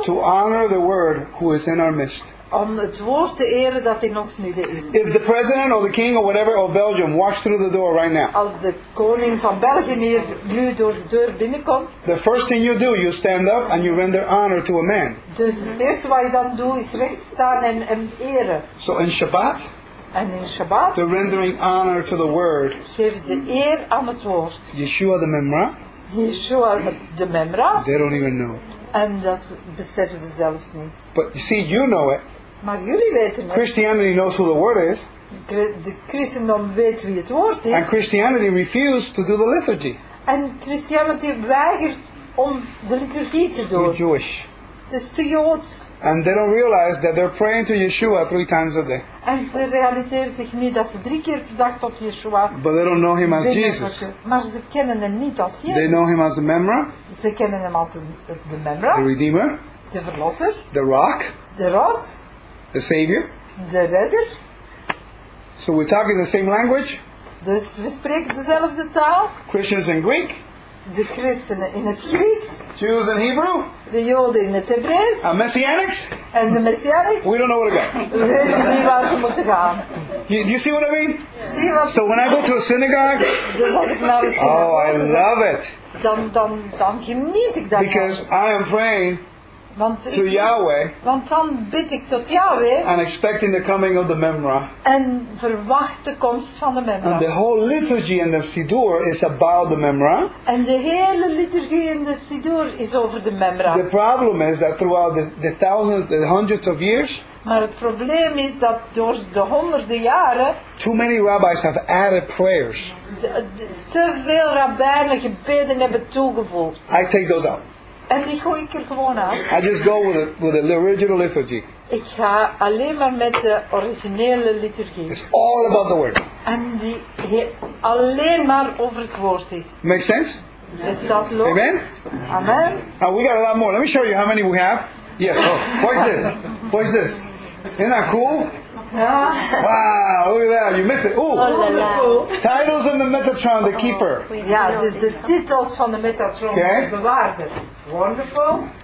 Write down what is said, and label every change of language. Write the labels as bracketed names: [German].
[English] To honor the word who is in our midst. [Dutch] Om het woord te eren dat in ons midden is. [English] If the president or the king or whatever of Belgium walks through the door right now. [Dutch] Als de koning van België hier nu door de deur binnenkomt. [English] The first thing you do, you stand up and you render honor to a man. [Dutch] Dus het eerste wat je dan doet is recht staan en hem eren. [English] So in Shabbat. And in Shabbat. The rendering honor to the word. [Dutch] Geven ze eer aan het woord. [English] Yeshua the Memra. [Dutch] Yeshua de Memra. [English] They don't even know. [Dutch] En dat beseffen ze zelfs niet. [English] But you see, you know it. [Dutch] Maar jullie weten het. [English] Christianity knows who the word is. [Dutch] De christendom weet wie het woord is. [English] And Christianity refused to do the liturgy. [Dutch] En Christianity weigert om de liturgie te doen. [English] It's too Jewish. It's too Joods. And they don't realize that they're praying to Yeshua three times a day. [Dutch] En ze realiseren zich niet dat ze drie keer per dag tot Yeshua. [English] But they don't know him as Jesus. [Dutch] Maar ze kennen hem niet als Jezus. [English] They know him as the Memra. [Dutch] Ze kennen hem als de Memra. [English] The Redeemer. [Dutch] De Verlosser. [English] The Rock. [Dutch] De Rots. [English] The Savior. [Dutch] De Redder. [English] So we're talking the same language. [Dutch] Dus we spreken dezelfde taal. [English] Christians in Greek. [Dutch] De christenen in het Grieks. [English] Jews in Hebrew. [Dutch] De joden in het Hebreeuws. [English] And Messianics. [Dutch] En de Messianics. [English] We don't know where to go. [Dutch] We weten niet waar ze moeten gaan. [English] You see what I mean? [Dutch] Zie wat. [English] So when I go to a synagogue. [Dutch] Dus als ik naar de synagoge. [English] Oh, I love it. [Dutch] Dan geniet ik daar. [English] Because I am praying. [Dutch] Want [English] to Yahweh. [Dutch] Want dan bid ik tot Yahweh. [English] And expecting the coming of the Memra. [Dutch] En verwacht de komst van de Memra. [English] And the whole liturgy in the Siddur is about the Memra. [Dutch] En de hele liturgie in de Siddur is over de Memra. [English] The problem is that throughout the thousands, the hundreds of years. [Dutch] Maar het probleem is dat door de honderden jaren. [English] Too many rabbis have added prayers. [Dutch] Te veel rabbijnen gebeden hebben toegevoegd. [English] I take those out. [Dutch] En die gooi ik er gewoon uit. [English] I just go with the original liturgy. [Dutch] Ik ga alleen maar met de originele liturgie. [English] It's all about the word. [Dutch] En die alleen maar over het woord is. [English] Make sense? [Dutch] Is dat logisch? [English] Amen. [Dutch] Amen. [English] Now we got a lot more. Let me show you how many we have. Yes. Oh, watch this. Watch this. Isn't that cool? Yeah. Wow, look at that, you missed it. Ooh. Oh, la, la. Titles in the Metatron, the keeper. [Dutch] Yeah, dus de titels van de Metatron, okay. De bewaarder. [English] Wonderful.